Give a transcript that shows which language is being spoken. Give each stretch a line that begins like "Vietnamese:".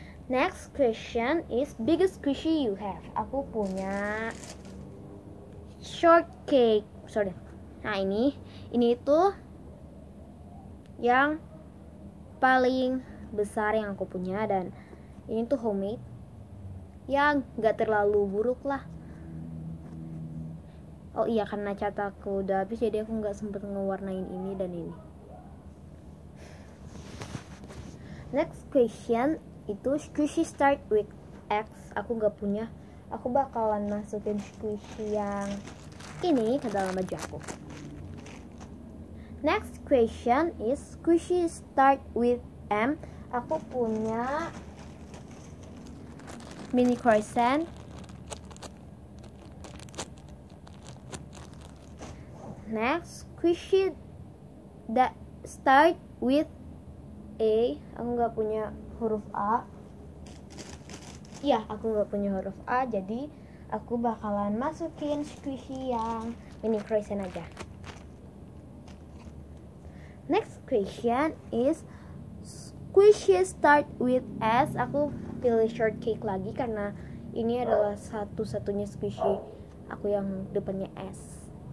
English: Next question is biggest squishy you have.
Indonesian: Aku punya shortcake. Sorry. Nah, ini itu yang paling besar yang aku punya, dan ini tuh homemade. Yang gak terlalu buruk lah. Oh iya, karena cat aku udah habis, jadi aku gak sempet ngewarnain ini dan ini.
English: Next question itu squishy start with X.
Indonesian: Aku gak punya. Aku bakalan masukin squishy yang ini ke dalam baju aku.
English: Next question is squishy start with M.
Indonesian: Aku punya mini croissant.
English: Next, squishy that start with A.
Indonesian: Aku gak punya huruf A. Iya, aku gak punya huruf A, jadi aku bakalan masukin squishy yang mini croissant aja.
English: Next question is squishy start with S.
Indonesian: Aku pilih shortcake lagi karena ini adalah satu-satunya squishy aku yang depannya S.